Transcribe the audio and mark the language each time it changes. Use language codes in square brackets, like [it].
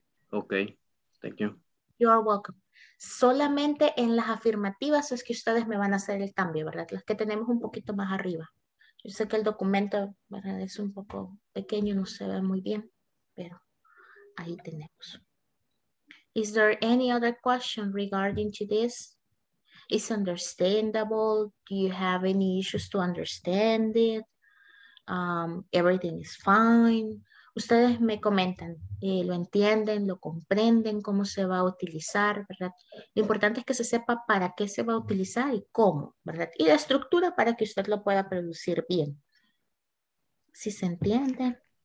[en] Ok, thank you. You are welcome. [es] Solamente en las afirmativas es que ustedes me van a hacer el cambio, ¿verdad? Las que tenemos un poquito más arriba. Yo sé que el documento, ¿verdad?, es un poco pequeño, no se ve muy bien, pero ahí tenemos. [en] Is there any other question regarding to this? Is it understandable? Do you have any issues to understand it? Everything is fine. [es] Ustedes me comentan, lo entienden, lo comprenden, cómo se va a utilizar, ¿verdad? Lo importante es que se sepa para qué se va a utilizar y cómo, ¿verdad? Y la estructura para que usted lo pueda producir bien. ¿Sí se entiende?